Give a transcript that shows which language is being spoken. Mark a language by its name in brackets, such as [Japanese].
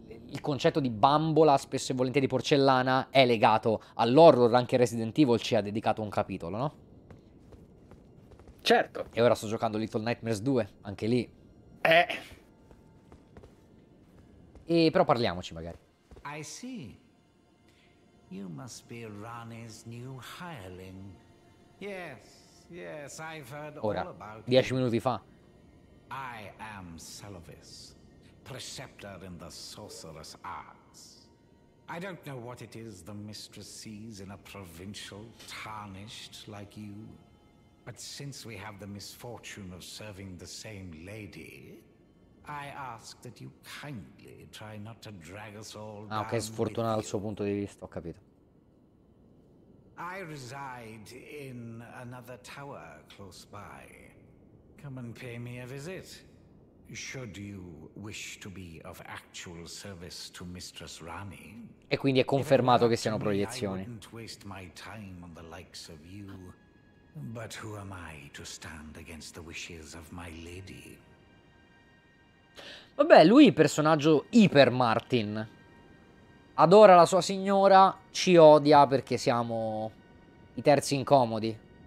[Italian] Il concetto di bambola, spesso e volentieri porcellana, è legato all'horror. Anche Resident Evil ci ha dedicato un capitolo, no? Certo. E ora sto giocando Little Nightmares 2, anche lì. E però parliamoci magari. [English] I see. You must be Rani's new hireling. Yes, I've heard [Italian] ora, [English] all about [Italian] ora, 10 minuti fa. [English] I am Seluvis, preceptor in the sorcerous arts. I don't know what it is the mistress sees in a provincial tarnished like you. But since we have the misfortune of serving the same lady, I ask that you kindly try not to drag us all down. [Italian] Ah, che sfortuna dal suo punto di vista, ho capito. [English] I reside in another tower close by. Come and pay me a visit. Should you wish to be of actual service to Mistress Rani? [Italian] E quindi è confermato che siano proiezioni. [English] I wouldn't waste my time on the likes of you. But who am I to stand against the wishes of my lady? [Italian] Vabbè, lui è il personaggio iper Martin. Adora la sua signora, ci odia perché siamo i terzi incomodi.